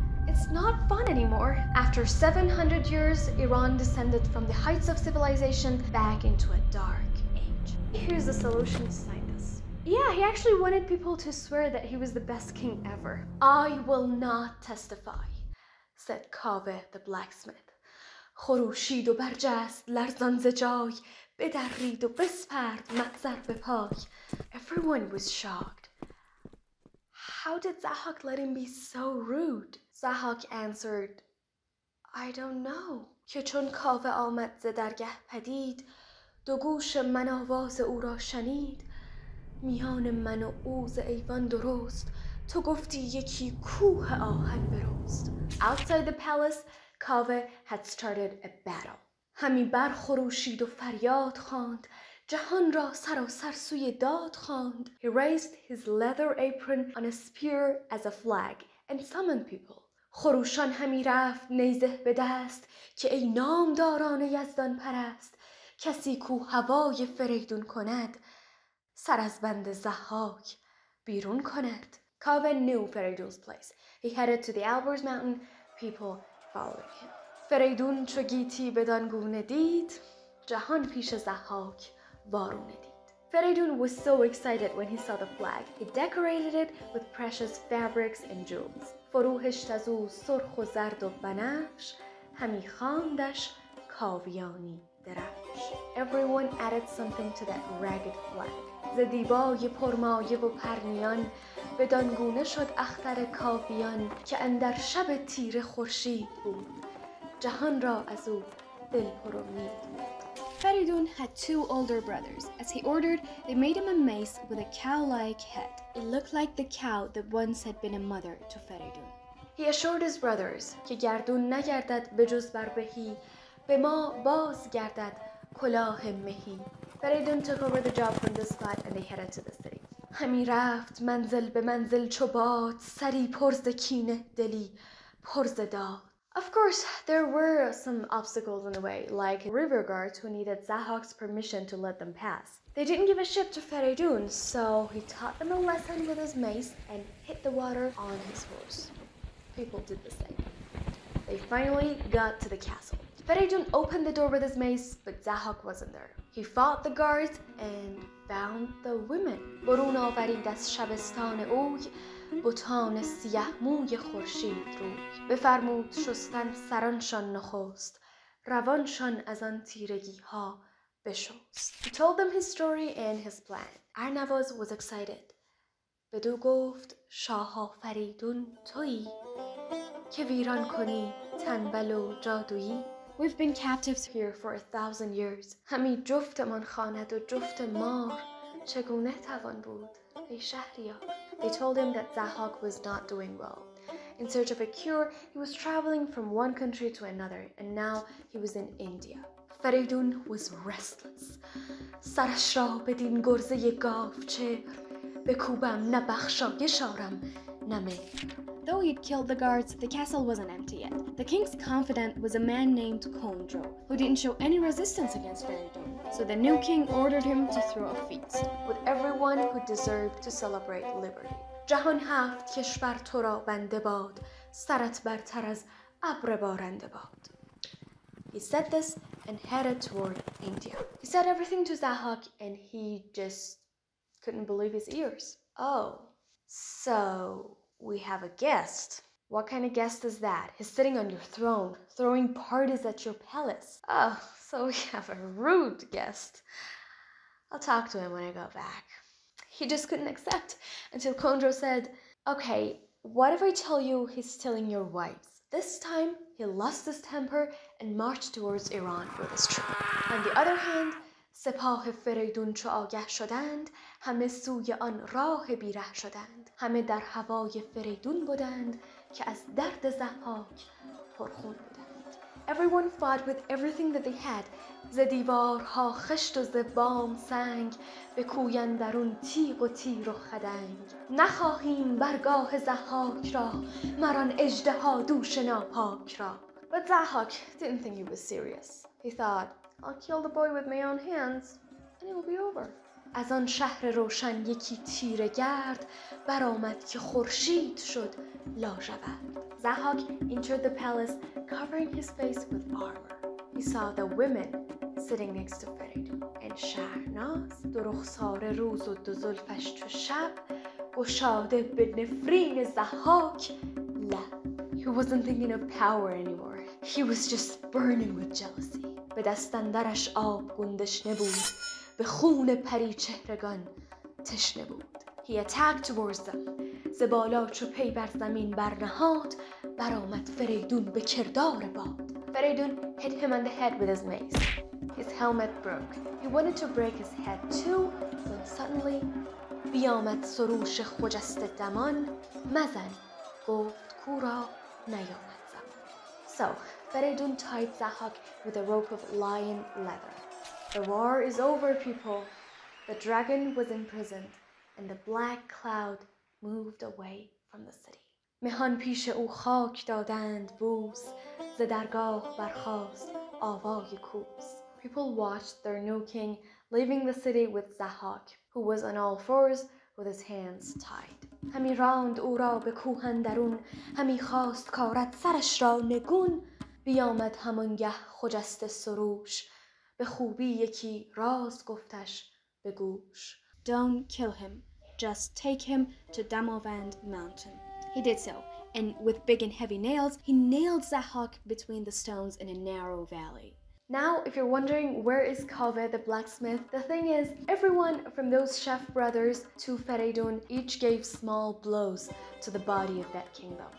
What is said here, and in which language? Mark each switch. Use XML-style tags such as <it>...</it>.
<en>It's not fun anymore. After 700 years, Iran descended from the heights of civilization back into a dark age. Here's the solution to Sinus. Yeah, he actually wanted people to swear that he was the best king ever. I will not testify, said Kaveh the blacksmith.</en> <fa>خروشید و برجست لرزان زجای بدرید و بسپرد مقصد به پای.</fa> <en>Everyone was shocked. How did Zahak let him be so rude? Zahak answered, I don't know.</en> <fa>که چون کاوه آمد ز درگه پدید دو گوش من آواز او را شنید میان من و او ز ایوان درست تو گفتی یکی کوه آهن برست.</fa> <en>Outside the palace, کاوه had started a battle.</en> <fa>همی بر خروشید و فریاد خواند جهان را سراسر سوی داد خواند.</fa> <en>He raised his leather apron on a spear as a flag and summoned people.</en> <fa>خروشان همی رفت نیزه به دست که ای نامداران یزدان پرست کسی کو هوای فریدون کند سر از بند ضحاک بیرون کند.</fa> <en>Kaveh knew Fereydun's place. He headed to the Elbrus mountain, people following him.</en> <fa>فریدون چو گیتی بدان گونه دید جهان پیش ضحاک وارونه دید.</fa> <en>Fereydun was so excited when he saw the flag. He decorated it with precious fabrics and jewels.</en> <fa>فروهشت از او سرخ و زرد و بنفش همی خواندش کاویانی درفش.</fa> <en>Everyone added something to that ragged flag.</en> <fa>ز دیبای پرمایه و پرنیان بدان گونه شد اختر کاویان که اندر شب تیره خورشید بود جهان را از او دل پر امید بود.</fa> <en>Fereydun had two older brothers. As he ordered, they made him a mace with a cow-like head. It looked like the cow that once had been a mother to Fereydun. He assured his brothers,</en> <fa>که گردون نگردد به جز بر بهی به ما باز گردد کلاه مهی.</fa> <en>Fereydun took over the job from this spot and they headed to the city.</en> <fa>همی رفت منزل به منزل چو باد سری پرز کینه دلی پرز داد.</fa> <en>Of course, there were some obstacles in the way, like river guards who needed Zahak's permission to let them pass. They didn't give a ship to Fereydun, so he taught them a lesson with his mace and hit the water on his horse. People did the same. They finally got to the castle. Fereydun opened the door with his mace, but Zahak wasn't there. He fought the guards and found the women.</en> <fa>برون آورید از شبستان اوی بوتان سیه موی خورشید رو بفرمود شستن سرانشان نخست روانشان از آن تیرگی ها بشست.</fa> <en>He told them his story and his plan. Arnavaz was excited.</en> <fa>بدو گفت شاه فریدون تویی که ویران کنی تنبل و جادویی.</fa> <en>We've been captives here for 1,000 years.</en> <fa>همی جفت من خاند و جفت مار چگونه توان بود ای شهریار.</fa> <en>They told him that Zahak was not doing well. In search of a cure, he was traveling from one country to another, and now he was in India. Fereydun was restless.</en> <fa>سرش را بدین گرزه گاف چهر بکوبم نه بخشایش آرم نه مهر.</fa> <en>Though he'd killed the guards, the castle wasn't empty yet. The king's confidant was a man named Kondro, who didn't show any resistance against Fereydun. So the new king ordered him to throw a feast with everyone who deserved to celebrate liberty.</en> <fa>جهان هفت کشور تو را بنده باد سرت برتر از ابر بارنده باد.</fa> <en>He said this and headed toward India. He said everything to Zahak and he just couldn't believe his ears. Oh, so we have a guest. What kind of guest is that? He's sitting on your throne, throwing parties at your palace. Oh, so we have a rude guest. I'll talk to him when I go back. He just couldn't accept until Kondro said, okay, what if I tell you he's stealing your wives? This time, he lost his temper and marched towards Iran with his troop. On the other hand,</en> <fa>سپاه فریدون چو آگه شدند همه سوی آن راه بیره شدند همه در هوای فریدون بودند که از درد ضحاک پرخون بودند.</fa> <en>Everyone fought with everything that they had.</en> <fa>ز دیوارها خشت و ز بام سنگ به کوی اندرون تیغ و تیر و خدنگ. نخواهیم برگاه ضحاک را مران اژدها دوش ناپاک را.</fa> <en>But Zahak didn't think he was serious. He thought, I'll kill the boy with my own hands, and it'll be over.</en> <fa>از آن شهر روشن یکی تیره گرد برآمد که خورشید شد لاژورد.</fa> <en>Zahak entered the palace covering his face with armor. He saw the women sitting next to Feridun.</en> <fa>And Shahnaz, دو رخسار روز و دو زلفش چو شب گشاده به نفرین زهاک لب.</fa> <en>He wasn't thinking of power anymore. He was just burning with jealousy.</en> <fa>به دست اندرش آب گندش نبود. به خون پری چهرگان تشنه بود.</fa> <en>He attacked towards them.</en> <fa>زبالا چو پی بر زمین برنهاد برآمد فریدون به کردار باد.</fa> <en>فریدون hit him on the head with his mace. His helmet broke. He wanted to break his head too, when suddenly</en> <fa>بیامد سروش خجست دمان مزن گفت کورا نیامد زمان.</fa> <en>So, فریدون tied Zahak with a rope of lion leather. The war is over, people. The dragon was imprisoned, and the black cloud moved away from the city.</en> <fa>مهان پیش او خاک دادند بوس، ز درگاه برخاست آوای کوس.</fa> <en>People watched their new king leaving the city with Zahak, who was on all fours with his hands tied.</en> <fa>همی راند او را به کوه اندرون، همی خواست کارد سرش را نگون. بیامد همانگه خجسته سروش، به خوبی یکی راز گفتش به گوش.</fa> <en>Don't kill him. Just take him to Damavand Mountain. He did so, and with big and heavy nails, he nailed Zahak between the stones in a narrow valley. Now, if you're wondering where is Kaveh the blacksmith, the thing is, everyone from those chef brothers to Feridun each gave small blows to the body of that kingdom.</en>